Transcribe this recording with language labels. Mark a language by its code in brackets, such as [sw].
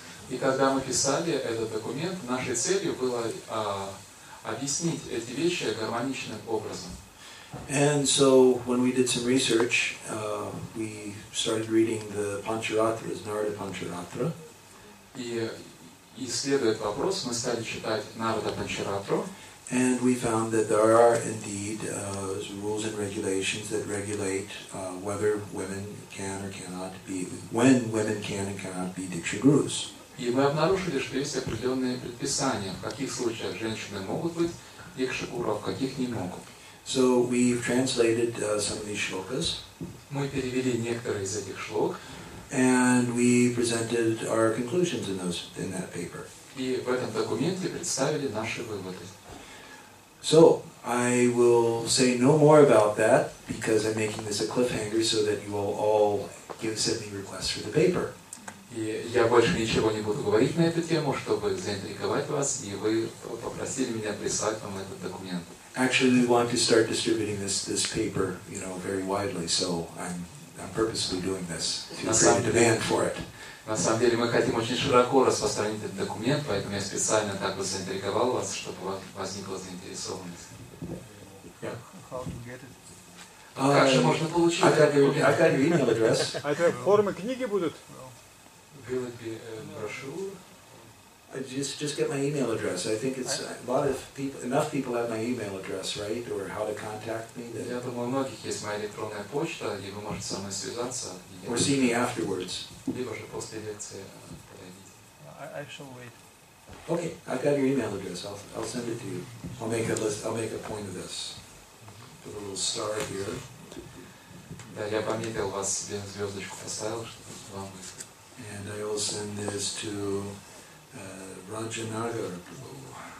[ru] И когда мы писали этот документ, нашей целью было объяснить эти вещи гармоничным образом. [en] And so when we did some research, we started reading the Pancharatras, Narada Pancharatra. [ru] И исследуя этот вопрос, мы стали читать Нарада Панчаратру. [en] And we found that there are indeed rules and regulations that regulate whether women can or cannot be, when women can and cannot be Diksha Gurus. [ru] И мы обнаружили, что есть определенные предписания, в каких случаях женщины могут быть Дикша Гуру, а в каких не могут. [en] So we've translated some of these shlokas. [ru] Мы перевели некоторые из этих шлок. [en] And we presented our conclusions in those in that paper. [ru] И в этом документе представили наши выводы. [en] So I will say no more about that because I'm making this a cliffhanger so that you will all give send me requests for the paper. [ru] И я больше ничего не буду говорить на эту тему, чтобы заинтриговать вас, и вы попросили меня прислать вам этот документ. [en] Actually, we want to start distributing this paper, you know, very widely. So I'm purposely doing this to create a demand for it. [ru] На самом деле мы хотим очень широко распространить этот документ, поэтому я специально так вот заинтриговал вас, чтобы возникла заинтересованность. [en] Yeah. [ru] Как же можно получить? [en] I got your email address. [ru] А это формы книги будут? [en] Will it be brochure? Just get my email address. I think it's a lot of people. Enough people have my email address, right? Or how to contact me? [ru] Я думаю, у многих есть моя электронная почта, и вы можете со мной связаться. [en] Or see me afterwards. [ru] Либо же после лекции. [en] I shall wait. Okay, I've got your email address. I'll send it to you. I'll make a point of this. Put a little star here. [ru] Да, я пометил вас себе звездочку поставил, чтобы вам быть. [en] And I will send this to Rajanagar Prabhu.